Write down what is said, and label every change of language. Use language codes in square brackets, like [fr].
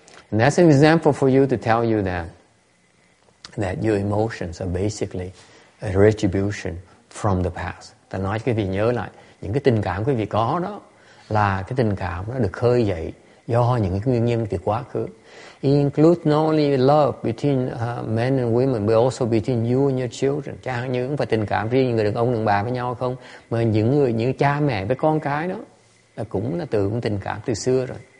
[en] And that's an example for you to tell you that your emotions are basically a retribution from the past. [vi] Ta nói cho quý vị nhớ lại, những cái tình cảm quý vị có đó là cái tình cảm nó được khơi dậy do những cái nguyên nhân từ quá khứ. [en] It includes not only love between men and women, but also between you and your children. [vi] Chẳng hạn như không phải tình cảm riêng người đàn ông, đàn bà với nhau không, mà những người như cha mẹ với con cái đó là cũng là từ cũng tình cảm từ xưa rồi.